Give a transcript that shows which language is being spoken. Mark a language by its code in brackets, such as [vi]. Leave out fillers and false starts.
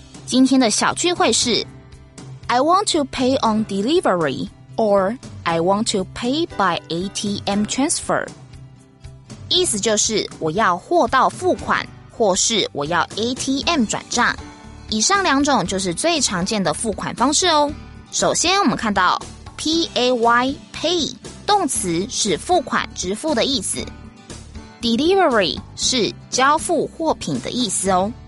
[zh] 今天的小聚会是 [en] ，I want to pay on delivery or. I want to pay by ATM transfer. [zh] 意思就是我要货到付款，或是我要 ATM 转账。以上两种就是最常见的付款方式哦。首先，我们看到 pay pay 动词是付款、支付的意思 ，delivery 是交付货品的意思哦。